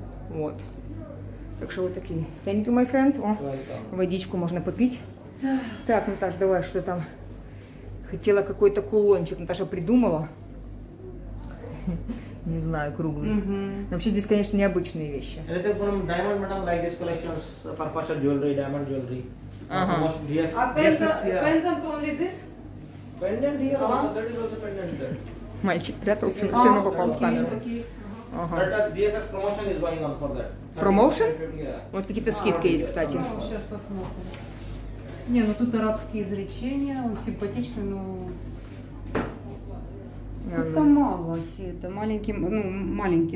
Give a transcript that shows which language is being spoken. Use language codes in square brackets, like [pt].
[ru] Вот. Так что вот такие. [en] Thank you, my friend. [ru] О, водичку можно попить. Так, Наташа, давай, что там? Хотела какой-то кулончик. Наташа придумала. Не знаю, круглый. Mm-hmm. Вообще здесь, конечно, необычные вещи. [en] Anything from diamond, madam? Like this collection is for partial jewelry, diamond jewelry. [ru] Ага. [en] Pendant only this? Pendant here, that is also pendant there. [ru] Мальчик прятался, все равно попал в камеру. Ага. Промоушен? [en] Yeah. [ru] Вот какие-то скидки есть, кстати. Ну, сейчас посмотрим. Не, ну тут арабские изречения, он симпатичный, но... Как-то мало все это. Маленький, ну, маленький.